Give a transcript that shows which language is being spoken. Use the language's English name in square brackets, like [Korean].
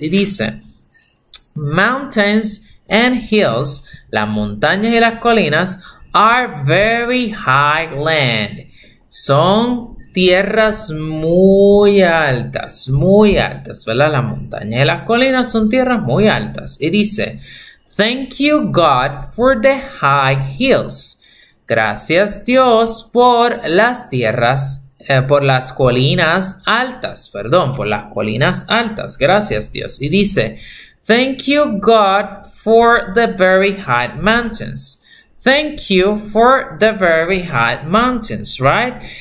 [Spanish] Y dice, [English] mountains and hills, [Spanish] las montañas y las colinas, [English] are very high land. [Spanish] Son tierras muy altas, ¿verdad? Las montañas y las colinas son tierras muy altas. Y dice, [English] thank you God for the high hills. [Spanish] Gracias Dios por las tierras, por las colinas altas, perdón, por las colinas altas. Gracias Dios. Y dice, [English] thank you God for the very high mountains. Thank you for the very high mountains, right?